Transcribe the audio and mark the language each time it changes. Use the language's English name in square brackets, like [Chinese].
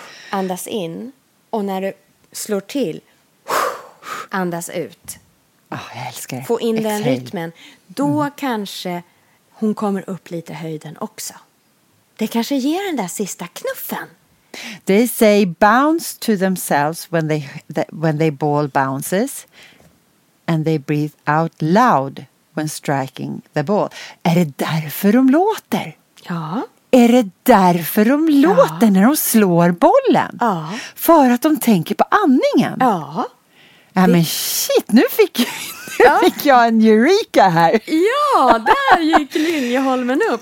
[Swedish] Andas in. Och när du slår till. Andas ut. Oh, jag älskar det. Få in den rytmen. Då kanske hon kommer upp lite höjden också. Det kanske ger den där sista knuffen. [English] They say bounce to themselves when they ball bounces, and they breathe out loud when striking the ball. [Swedish] Är det därför de låter? Ja. Är det därför de låter när de slår bollen? Ja. För att de tänker på andningen. Ja. Ja, men shit, nu fick jag en eureka här. Ja, där gick Linjeholmen upp.